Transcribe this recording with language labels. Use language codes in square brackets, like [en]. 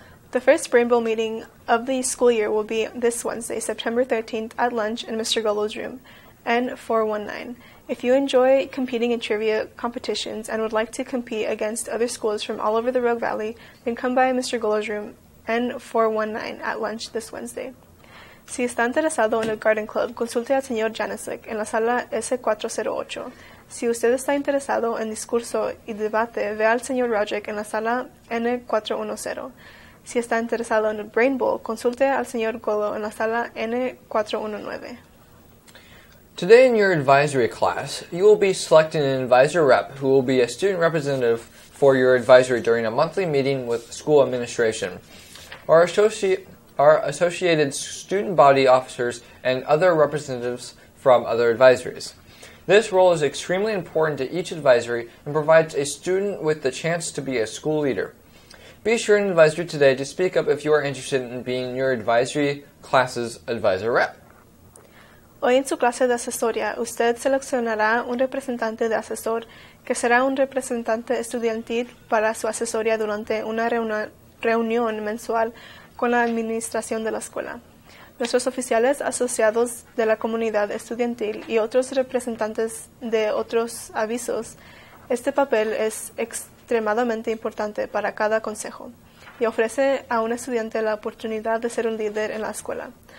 [en] The first Brain Bowl meeting of the school year will be this Wednesday, September 13th at lunch in Mr. Golo's room, N419. If you enjoy competing in trivia competitions and would like to compete against other schools from all over the Rogue Valley, then come by Mr. Golo's room, N419, at lunch this Wednesday. [es] Si está interesado en el Garden Club, consulte al señor Janicek en la sala S408. Si usted está interesado en discurso y debate, vea al señor Roderick en la sala N410. Si está interesado en el Brain Bowl, consulte al señor Golo en la sala N419. [en] Today in your advisory class, you will be selecting an advisor rep who will be a student representative for your advisory during a monthly meeting with school administration. Our associated student body officers, and other representatives from other advisories. This role is extremely important to each advisory and provides a student with the chance to be a school leader. Be sure and advisor today to speak up if you are interested in being your advisory class's advisor rep. [es] Hoy en su clase de asesoría, usted seleccionará un representante de asesor que será un representante estudiantil para su asesoría durante una reunión mensual con la administración de la escuela. Nuestros oficiales asociados de la comunidad estudiantil y otros representantes de otros avisos, este papel es extremadamente importante para cada consejo y ofrece a un estudiante la oportunidad de ser un líder en la escuela.